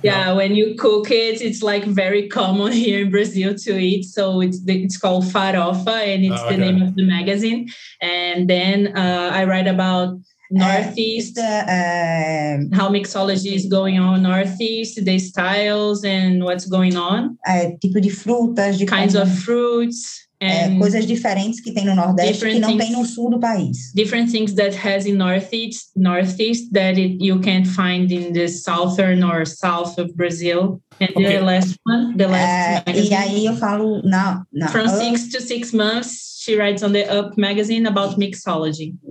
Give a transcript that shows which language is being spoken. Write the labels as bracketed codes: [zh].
[en] Yeah, when you cook it, it's like very common here in Brazil to eat. So it's called Farofa, and it's the name of the magazine. And then I write about Northeast, how mixology is going on Northeast, the styles and what's going on. [pt] Tipo de frutas, de [en] kinds of fruits [pt] coisas diferentes que tem no Nordeste que não tem no sul do país. [en] Different things that has in Northeast that it, you can't find in the southern or south of Brazil. And okay. the last one. [pt] E aí eu falo na [en] From 6 to 6 months, she writes on the Up magazine about mixology.